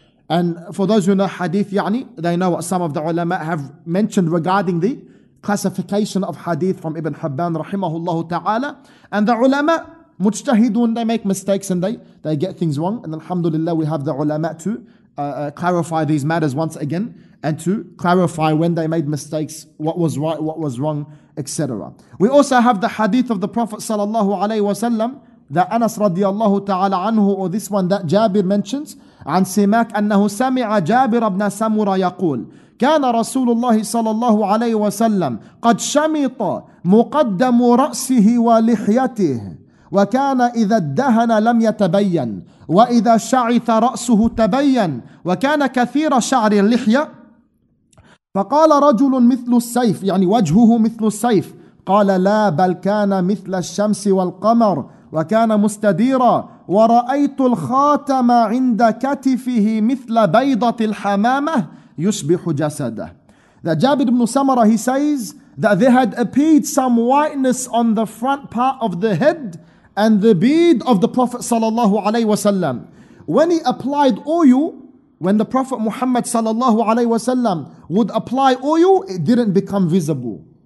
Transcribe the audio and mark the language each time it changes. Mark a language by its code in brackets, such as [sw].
[en] And for those who know Hadith, yani, they know what some of the ulama have mentioned regarding the classification of Hadith from Ibn Hibban, rahimahullah ta'ala. And the ulama, mujtahidun, they make mistakes and they get things wrong. And alhamdulillah, we have the ulama to clarify these matters once again and to clarify when they made mistakes, what was right, what was wrong, etc. We also have the hadith of the Prophet sallallahu alayhi wasallam, that Anas radiallahu ta'ala anhu, or this one that Jabir mentions, [ar] عن سماك أنه سمع جابر بن سمرة يقول كان رسول الله صلى الله عليه وسلم قد شمط مقدم رأسه ولحيته وكان إذا الدهن لم يتبين وإذا شعث رأسه تبين وكان كثير شعر اللحية فقال رجل مثل السيف يعني وجهه مثل السيف قال لا بل كان مثل الشمس والقمر وكان مستديرا ورأيت الخاتم عند كتفه مثل بيضة الحمامة يشبه جسده. [en] That Jabir ibn Samurah, he says that they had appeared some whiteness on the front part of the head and the beard of the Prophet sallallahu alaihi wasallam. When he applied oil, When the Prophet Muhammad sallallahu alaihi wasallam would apply oil, it didn't become visible.